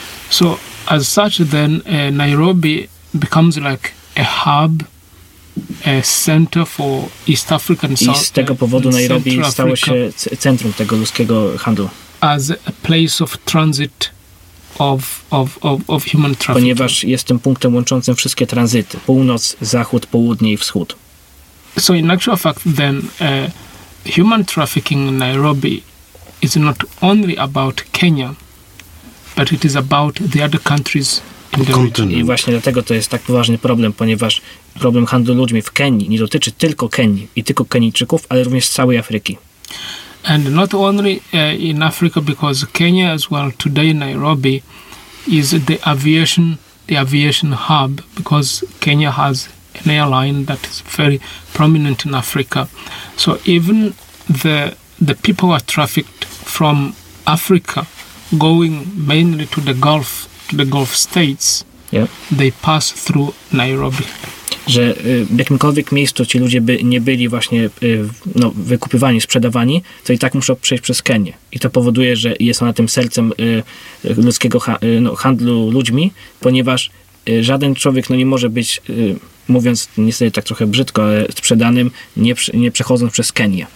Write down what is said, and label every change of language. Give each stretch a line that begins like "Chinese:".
English: So as such then Nairobi becomes like a hub, a center for East African
Polish: South. I z tego powodu Nairobi stało się centrum tego ludzkiego handlu.
English: As a place of transit of human traffic.
Polish: Ponieważ jest tym punktem łączącym wszystkie tranzyty: północ, zachód, południe i wschód.
English: So in actual fact then human trafficking in Nairobi is not only about Kenya, but it is about the other countries in the region.
Polish: I właśnie dlatego to jest tak poważny problem, ponieważ problem handlu ludźmi w Kenii nie dotyczy tylko Kenii i tylko Kenijczyków, ale również całej Afryki.
English: And not only in Africa, because Kenya as well today Nairobi is the aviation hub, because Kenya has an airline that is very prominent in Africa. So even the people are trafficked from Africa, going mainly to the Gulf States, yep. They pass through Nairobi.
Polish: Że w jakimkolwiek miejscu ci ludzie by nie byli właśnie no, wykupywani, sprzedawani, to i tak muszą przejść przez Kenię. I to powoduje, że jest ona tym sercem ludzkiego handlu ludźmi, ponieważ żaden człowiek no, nie może być, mówiąc niestety tak trochę brzydko, ale sprzedanym, nie przechodząc przez Kenię.